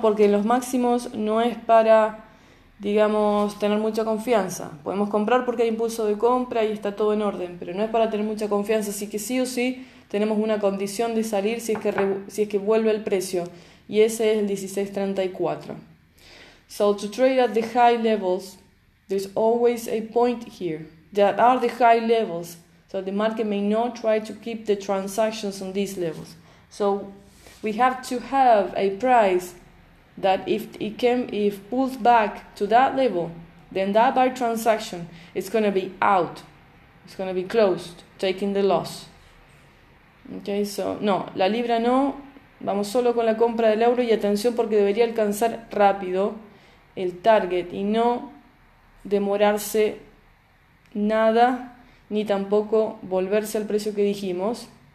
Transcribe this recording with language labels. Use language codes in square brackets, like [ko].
[es] Porque en los máximos no es para, digamos, tener mucha confianza. Podemos comprar porque hay impulso de compra y está todo en orden, pero no es para tener mucha confianza, así que sí o sí tenemos una condición de salir si es que vuelve el precio, y ese es el 1634. [en] So to trade at the high levels, there's always a point here that are the high levels, so the market may not try to keep the transactions on these levels. So we have to have a price that if pulls back to that level, then that buy transaction is going to be out. It's going to be closed, taking the loss. [es] Okay, so no, la libra no, vamos solo con la compra del euro y atención porque debería alcanzar rápido el target y no demorarse nada ni tampoco volverse al precio que dijimos.